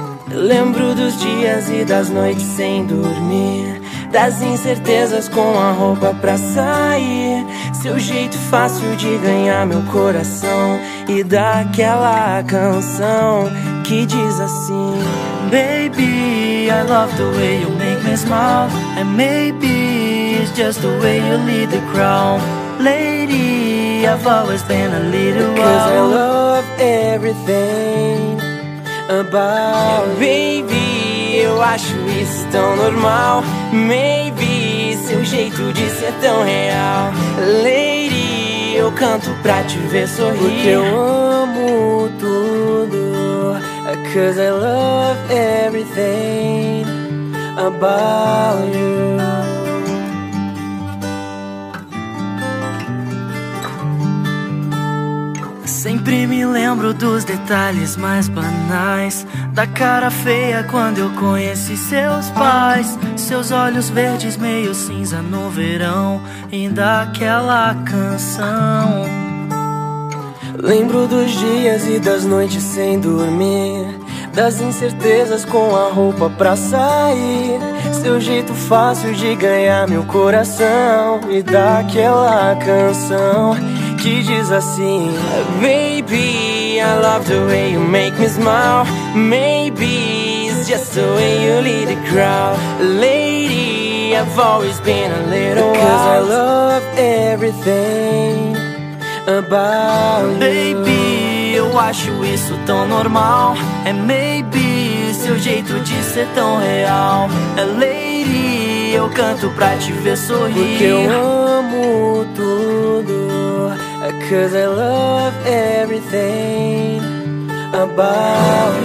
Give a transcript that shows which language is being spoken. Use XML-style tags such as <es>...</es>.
<pt>Lembro dos dias e das noites sem dormir, das incertezas com a roupa pra sair, seu jeito fácil de ganhar meu coração e daquela canção que diz assim:</pt> <en>Baby, I love the way you make me smile, and maybe it's just the way you lead the crowd. Lady, I've always been a little wild, 'cause I love everything about you.</en> <pt>Baby, eu acho isso tão normal,</pt> <en>maybe</en> <pt>seu jeito de ser tão real. Lady, eu canto pra te ver sorrir, porque eu amo tudo,</pt> <en>'cause I love everything about you.</en> <pt>Sempre me lembro dos detalhes mais banais, da cara feia quando eu conheci seus pais, seus olhos verdes meio cinza no verão e daquela canção. Lembro dos dias e das noites sem dormir, das incertezas com a roupa pra sair, seu jeito fácil de ganhar meu coração e daquela canção que diz assim:</pt> <en>Baby, I love the way you make me smile, maybe it's just the way you lead the crowd. Lady, I've always been a little wild, 'cause I love everything about you.</en> <pt>Baby, eu acho isso tão normal, é</pt> <en>maybe</en> <pt>seu jeito de ser tão real. É lady, eu canto pra te ver sorrir, porque eu amo tudo,</pt> <en>'cause I love everything about you.</en>